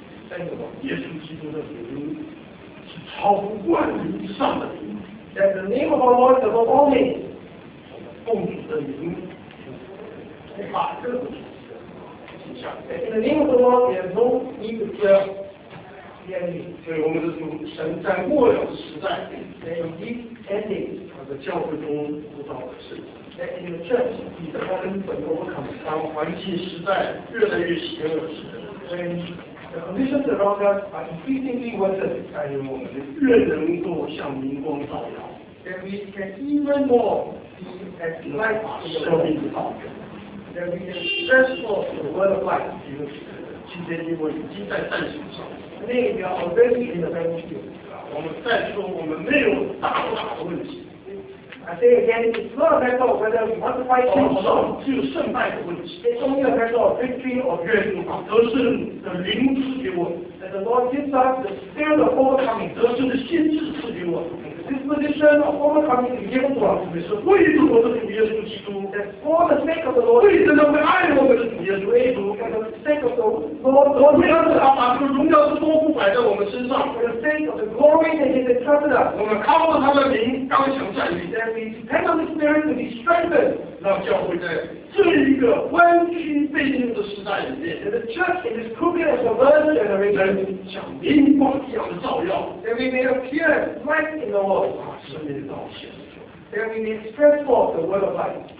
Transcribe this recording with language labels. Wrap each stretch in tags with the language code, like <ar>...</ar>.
<en>Thank you, Lord. That the name of our Lord is above all names. Oh, 象。 In the name of the Lord, we have no need to fear the enemy.</en> <zh>所以我们的主神在末了时代</zh> <en>，there is deep ending。</en> <zh>他在教会中做到的事。</zh> <en>That in the church, he's often overcome.</en> <zh>当环境时代越来越邪恶时</zh> <en>，when the conditions around us are increasingly worsened，</en> <zh>但愿我们越能够向明光照耀。</zh> <en>That we can even more be as light in the world. That we can stress forth the word of life.</en> <zh>今天因为已经在战场上。</zh> <en>Today we are already in the battlefield.</en> <zh>我们再说我们没有大不大的问题。</zh> <en>I say again, it's not a matter of whether we want to fight</en> <zh>sin. 好像只有胜败的问题。</zh> <en>It's only a matter of victory or</en> <zh>victory. 得胜的灵赐给我。</zh> <en>That the Lord gives us the spirit of overcoming.</en> <zh>得胜的心智赐给我。</zh> <en>Disposition of overcoming is given to us.</en> <zh>是为着我的主耶稣基督。</zh> <en>That for the sake of the Lord.</en> <zh>为着那位爱我们的主耶稣基督。</zh> <en>For the sake of the Lord. 我</en> <zh>们要知道把这个荣耀的托付摆在我们身上。</zh> <en>For the sake of the glory that He has entrusted us.</en> <zh>我们靠着他的灵刚强站立。</zh> <en>That we depend on the Spirit to be strengthened.</en> <zh>让教会在这一个弯曲背逆的时代里面。</zh> <en>That the church in this crooked and perverted generation.</en> <zh>像明光一样的照耀。</zh> <en>That we may appear light in the world. Then we need strength for the word of life.</en>